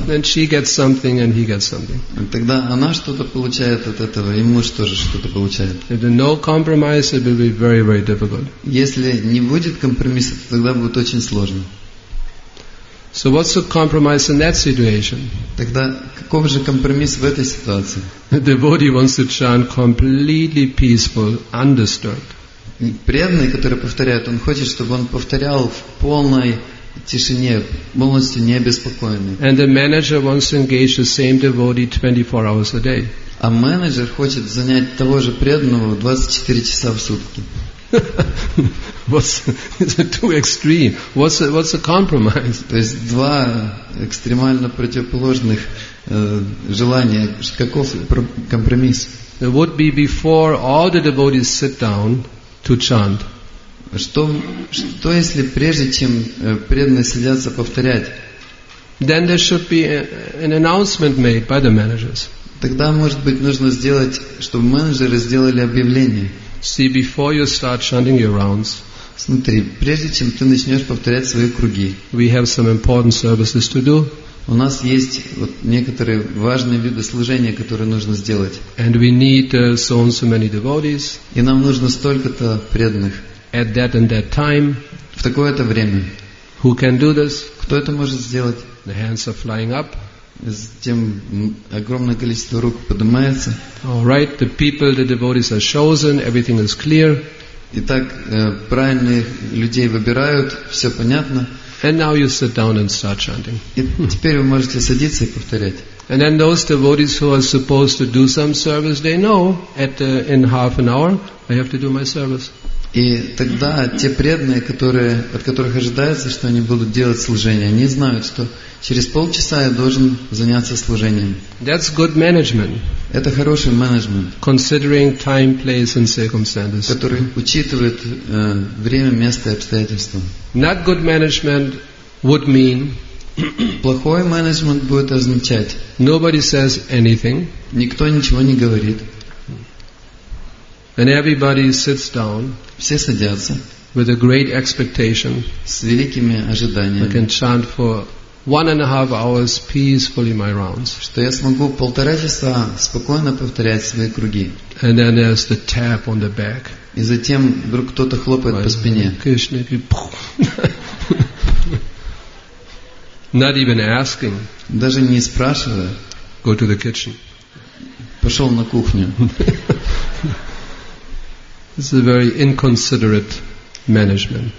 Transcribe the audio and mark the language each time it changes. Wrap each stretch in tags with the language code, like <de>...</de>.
<en>Then she gets something and he gets something.</en> <ru>Тогда она что-то получает от этого, и муж тоже что-то получает.</ru> <en>If there's no compromise, it will be very, very difficult.</en> <ru>Если не будет компромисса, то тогда будет очень сложно.</ru> <en>So what's the compromise in that situation?</en> <ru>Тогда каков же компромисс в этой ситуации?</ru> <en>The devotee wants to chant completely peaceful, undisturbed.</en> <ru>Преданный, который повторяет, он хочет, чтобы он повторял в полной тишине, полностью не обеспокоенный.</ru> <en>And the manager wants to engage the same devotee 24 hours a day.</en> <ru>А менеджер хочет занять того же преданного 24 часа в сутки.</ru> <en>What's too extreme? What's a compromise?</en> <ru>То есть два экстремально противоположных желания. Каков компромисс?</ru> <en>It would be before all the devotees sit down to chant.</en> <ru>Что если прежде чем преданные садятся повторять?</ru> <en>Then there should be an announcement made by the managers.</en> <ru>Тогда может быть нужно сделать, чтобы менеджеры сделали объявление.</ru> <en>See, before you start chanting your rounds.</en> <ru>Смотри, прежде чем ты начнешь повторять свои круги.</ru> <en>We have some important services to do.</en> <ru>У нас есть вот некоторые важные виды служения, которые нужно сделать.</ru> <en>And we need so and so many devotees.</en> <ru>И нам нужно столько-то преданных.</ru> <en>At that and that time.</en> <ru>В такое-то время.</ru> <en>Who can do this?</en> <ru>Кто это может сделать?</ru> <en>The hands are flying up.</en> <ru>Затем огромное количество рук поднимается.</ru> <en>All right, the people, the devotees are chosen, everything is clear.</en> <ru>Итак, правильных людей выбирают, все понятно.</ru> <en>And now you sit down and start chanting.</en> <ru>И теперь вы можете садиться и повторять.</ru> <en>And then those devotees who are supposed to do some service, they know in half an hour I have to do my service.</en> <ru>И тогда те преданные, от которых ожидается, что они будут делать служение, они знают, что через полчаса я должен заняться служением.</ru> <en>That's good management.</en> <ru>Это хороший менеджмент.</ru> <en>Considering time, place and circumstances.</en> <ru>Который учитывает время, место и обстоятельства.</ru> <en>Not good management would mean.</en> <ru>Плохой менеджмент будет означать.</ru> <en>Nobody says anything.</en> <ru>Никто ничего не говорит.</ru> <en>And everybody sits down.</en> <ru>Все садятся.</ru> <en>With a great expectation.</en> <ru>С великими ожиданиями.</ru> <en>I can chant for 1.5 hours peacefully my rounds.</en> <ru>Что я смогу полтора часа спокойно повторять свои круги.</ru> <en>And then there's the tap on the back.</en> <ru>И затем вдруг кто-то хлопает по спине.</ru> <en>Кришна, not even asking.</en> <ru>Даже не спрашивая.</ru> <en>Go to the kitchen.</en> <ru>Пошел на кухню.</ru> <en>This is a very inconsiderate management.</en>